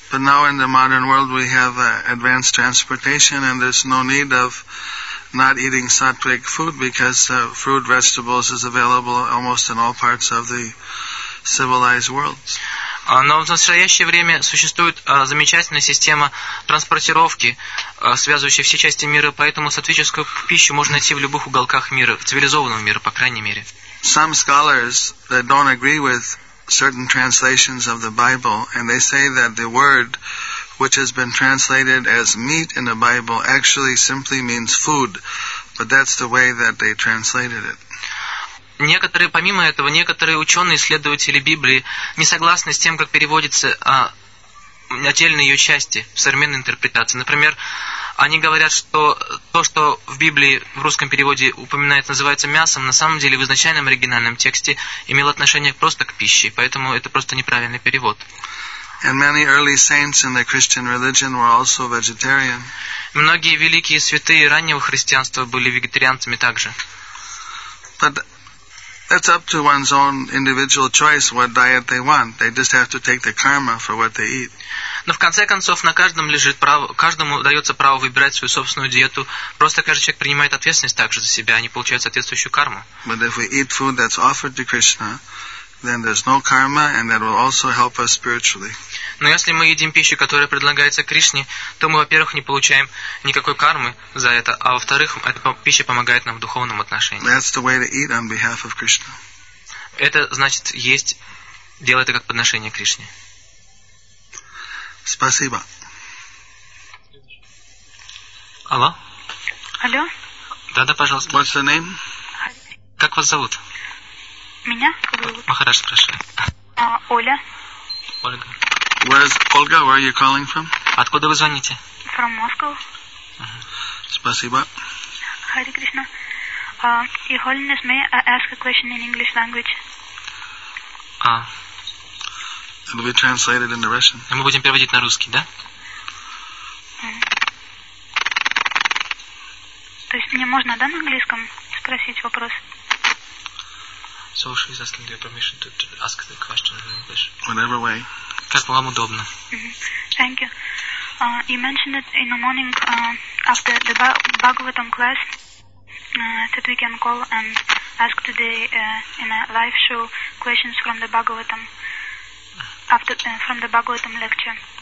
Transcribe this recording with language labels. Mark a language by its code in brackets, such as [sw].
[en] But now in the modern world we have advanced transportation and there's no need of not eating sattvic food because fruit, vegetables is available almost in all parts of the civilized world. [ru] Но в настоящее время существует замечательная система транспортировки, связывающая все части мира, поэтому сатвическую пищу можно найти в любых уголках мира, в цивилизованном мире, по крайней мере. [en] Some scholars that don't agree with certain translations of the Bible, and they say that the word which has been translated as meat in the Bible actually simply means food, but that's the way that they translated it. [ru] Некоторые, помимо этого, некоторые ученые-исследователи Библии не согласны с тем, как переводятся отдельные ее части в современной интерпретации. Например, они говорят, что то, что в Библии в русском переводе упоминается, называется мясом, на самом деле в изначальном оригинальном тексте имело отношение просто к пище, поэтому это просто неправильный перевод. [en] And many early saints in the Christian religion were also vegetarian. [ru] Многие великие святые раннего христианства были вегетарианцами также. [en] That's up to one's own individual choice what diet they want. They just have to take the karma for what they eat. [ru] Но в конце концов на каждом лежит право, каждому дается право выбирать свою собственную диету. Просто каждый человек принимает ответственность также за себя, а не получает соответствующую карму. [en] But if we eat food that's offered to Krishna, then there's no karma, and that will also help us spiritually. [ru] Но если мы едим пищу, которая предлагается Кришне, то мы, во-первых, не получаем никакой кармы за это, а во-вторых, эта пища помогает нам в духовном отношении. [en] That's the way to eat on behalf of Krishna. [ru] Это значит есть, делать это как подношение Кришне. Спасибо. Алло. Алло. Да-да, пожалуйста. [en] What's your name? [ru] Как вас зовут? Меня? Как зовут? Махарадж спрашивает. Оля. Ольга. [en] Where's Olga? Where are you calling from? [ru] Откуда вы звоните? [en] From Moscow. [ru] Спасибо. [en] Hare Krishna. Your Holiness, may I ask a question in English language? It will be translated into Russian. [ru] Мы будем переводить на русский, да? То есть мне можно, да, на английском спросить вопрос? [en] So she's asking your permission to ask the question in English. Whatever way. [ru] Как вам удобно. [en] Thank you. You mentioned that in the morning after the Bhagavatam class that we can call and ask today in a live show questions from the Bhagavatam after from the Bhagavatam lecture.